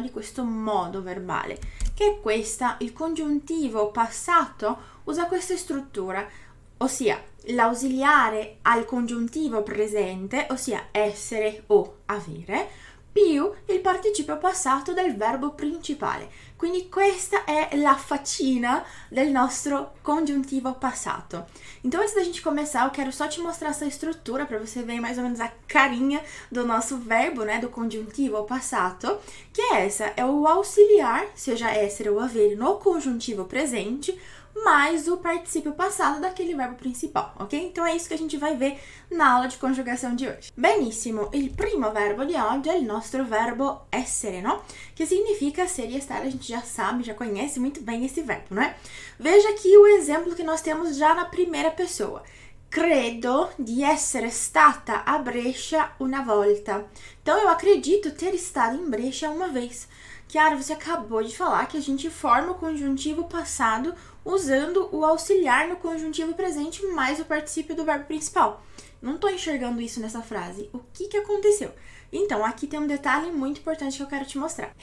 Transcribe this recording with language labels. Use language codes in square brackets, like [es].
[it] Di questo modo verbale, che è questa. Il congiuntivo passato usa questa struttura, ossia l'ausiliare al congiuntivo presente, ossia essere o avere, più il participio passato del verbo principale. Quindi questa è la faccina del nostro congiuntivo passato. [pt] Então, antes da gente começar, eu quero só te mostrar essa estrutura para você ver mais ou menos a carinha do nosso verbo, né, do congiuntivo passato, que é essa. É o auxiliar, seja essere ou avere, no congiuntivo presente, mais o participio passato daquele verbo principal, ok? Então é isso que a gente vai ver na aula de conjugação de hoje. [it] Benissimo, il primo verbo di oggi è il nostro verbo essere, no? Che significa [pt] ser e estar, a gente já sabe, já conhece muito bem esse verbo, não é? Veja aqui o exemplo que nós temos já na primeira pessoa. [it] Credo di essere stata a Brescia una volta. [pt] Então eu acredito ter estado em Brescia uma vez. Chiara, você acabou de falar que a gente forma o congiuntivo passado usando o auxiliar no conjuntivo presente mais o participio do verbo principal. Não estou enxergando isso nessa frase. O que que aconteceu? Então, aqui tem um detalhe muito importante que eu quero te mostrar.